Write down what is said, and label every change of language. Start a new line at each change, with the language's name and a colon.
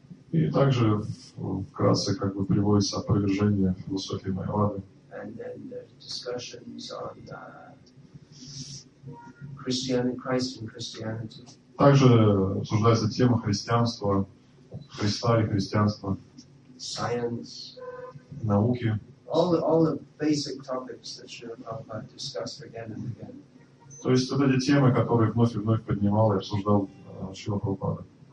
Russian: И также вкратце как бы приводится опровержение философии Майявады.
English: And then the discussions on Christianity, Christ and Christianity.
Russian: Также обсуждается тема христианства, Христа и христианства.
English: Science.
Russian: Науки.
English: All the basic topics that Шрила Прабхупада discussed again and again.
Russian: То есть вот эти темы, которые вновь и вновь поднимал и обсуждал Шрила Прабхупада.